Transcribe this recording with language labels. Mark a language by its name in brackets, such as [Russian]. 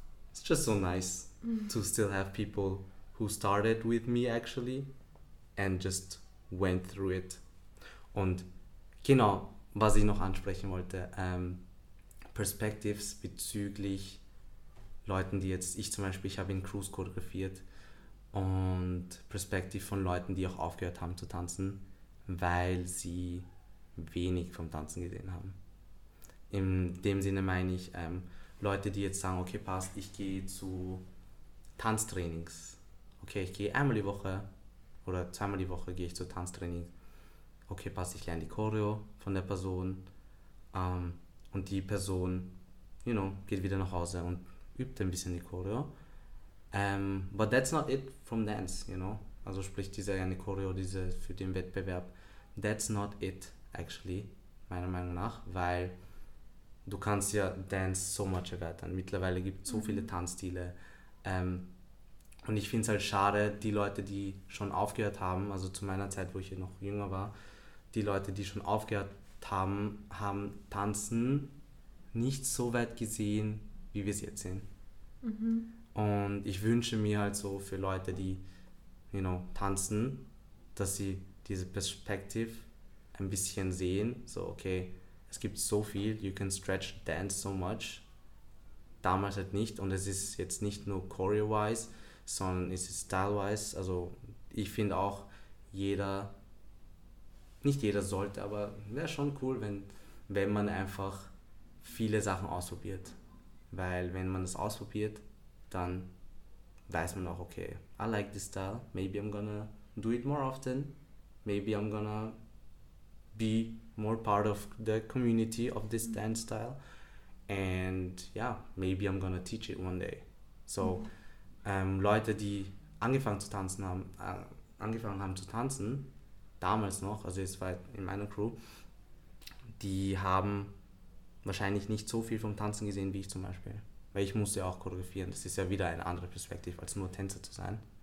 [English] It's just so nice to still have people who started with me actually and just went through it. [German] Und genau, was ich noch ansprechen wollte, Perspectives bezüglich Leuten, die jetzt, ich zum Beispiel, ich habe in Crews choreografiert und Perspective von Leuten, die auch aufgehört haben zu tanzen, weil sie wenig vom Tanzen gesehen haben. In dem Sinne meine ich, Leute, die jetzt sagen, okay, passt, ich gehe zu Tanztrainings. Okay, ich gehe einmal die Woche oder zweimal die Woche gehe ich zu Tanztraining. Okay, passt, ich lerne die Choreo von der Person. Und die Person, [English] you know, [German] geht wieder nach Hause und übt ein bisschen die Choreo. [English] But that's not it from dance, you know. [German] Also sprich, diese eine Choreo, diese für den Wettbewerb. [English] That's not it, actually, [German] meiner Meinung nach, weil du kannst ja Dance [English] so much [German] erweitern. Mittlerweile gibt es so viele Tanzstile. Und ich finde es halt schade, die Leute, die schon aufgehört haben, also zu meiner Zeit, wo ich hier noch jünger war, die Leute, die schon aufgehört haben, haben Tanzen nicht so weit gesehen, wie wir es jetzt sehen. Mhm. Und ich wünsche mir halt so für Leute, die, [English] you know, [German] tanzen, dass sie diese Perspektive ein bisschen sehen. So, okay, es gibt so viel, [English] you can stretch dance so much. [German] Damals halt nicht. Und es ist jetzt nicht nur choreo-wise, sondern es ist style-wise. Also ich finde auch, jeder, nicht jeder sollte, aber wäre schon cool, wenn man einfach viele Sachen ausprobiert. Weil wenn man das ausprobiert, dann weiß man auch, [English] okay, I like this style, maybe I'm gonna do it more often, maybe I'm gonna be more part of the community of this dance style, and yeah, maybe I'm gonna teach it one day. [German] So, Leute, die angefangen haben zu tanzen, damals noch, also es war in meiner Crew, die haben wahrscheinlich nicht so viel vom Tanzen gesehen, wie ich zum Beispiel. Weil ich musste ja auch choreografieren. Das ist ja wieder eine andere Perspektive, als nur Tänzer zu sein.